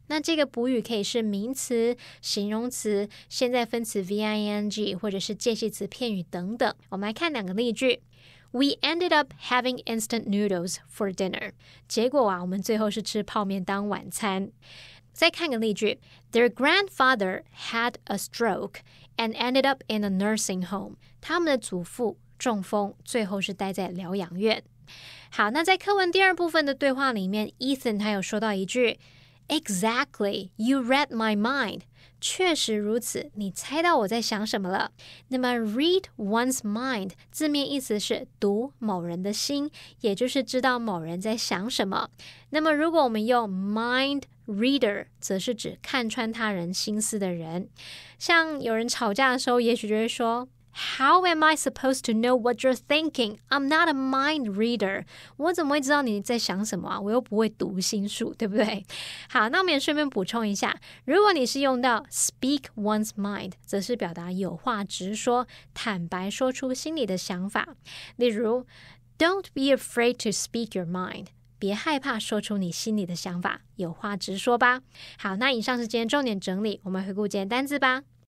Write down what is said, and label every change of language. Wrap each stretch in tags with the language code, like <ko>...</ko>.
<zh>那这个补语可以是名词、形容词、现在分词 ving 或者是介系词片语等等。我们来看两个例句。</zh> <en>We ended up having instant noodles for dinner.</en> <zh>结果啊，我们最后是吃泡面当晚餐。再看个例句。</zh> <en>Their grandfather had a stroke and ended up in a nursing home.</en> <zh>他们的祖父中风，最后是待在疗养院。好，那在课文第二部分的对话里面 ，Ethan 他有说到一句 ，</zh> <en>Exactly, you read my mind.</en> <zh>确实如此，你猜到我在想什么了。那么 read one's mind 字面意思是读某人的心，也就是知道某人在想什么。那么如果我们用 mind reader， 则是指看穿他人心思的人。像有人吵架的时候，也许就会说。</zh> <en>How am I supposed to know what you're thinking? I'm not a mind reader.</en> <zh>我怎么会知道你在想什么啊？我又不会读心术，对不对？好，那我们也顺便补充一下，如果你是用到 speak one's mind， 则是表达有话直说，坦白说出心里的想法。例如</zh> <en>，Don't be afraid to speak your mind.</en> <zh>别害怕说出你心里的想法，有话直说吧。好，那以上是今天重点整理，我们回顾今天单字吧。</zh>